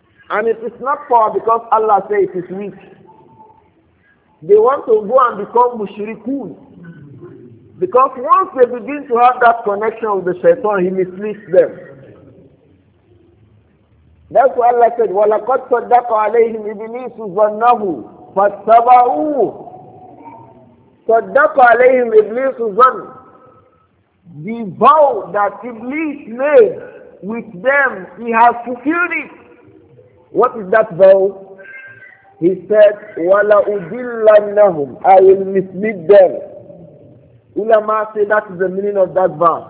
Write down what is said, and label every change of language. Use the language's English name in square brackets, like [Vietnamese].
[English] And it is not power because Allah says it is weak. They want to go and become mushrikun. Because once they begin to have that connection with the shaitan, he misleads them. That's why Allah said, [Arabic] وَلَقَدْ صَدَّقَ عَلَيْهِمْ إِبْلِيسُ ظَنَّهُ فَاتَّبَعُوهُ صَدَّقَ عَلَيْهِمْ إِبْلِيسُ ظَنَّهُ. [English] The vow that Iblis made with them, he has fulfilled it. What is that vow? He said, [Arabic] وَلَأُضِلَّنَّهُمْ [English] I will mislead them. Ulama say that is the meaning of that verse.